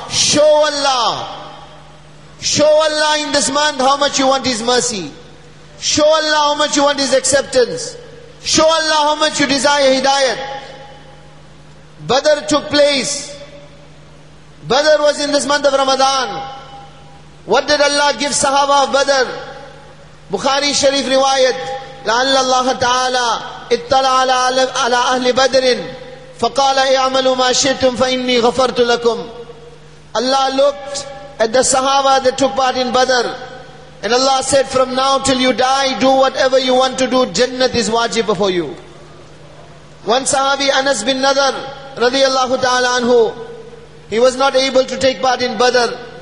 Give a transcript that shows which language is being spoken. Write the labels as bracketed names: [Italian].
[English] Show Allah in this month how much you want His mercy. Show Allah how much you want His acceptance. Show Allah how much you desire Hidayat. Badr took place. Badr was in this month of Ramadan. What did Allah give Sahaba of Badr? [Arabic] Bukhari Sharif riwayat, لَعَلَّ اللَّهَ تَعَالَى اِطَّلَ عَلَىٰ أَهْلِ بَدْرٍ فَقَالَ اِعْمَلُوا مَا شِئْتُمْ فَإِنِّي غَفَرْتُ لَكُمْ. [English] Allah looked at the Sahaba that took part in Badr, and Allah said, from now till you die, do whatever you want to do, Jannat is wajib before you. One Sahabi, Anas bin Nadhr radiyallahu ta'ala anhu, he was not able to take part in Badr.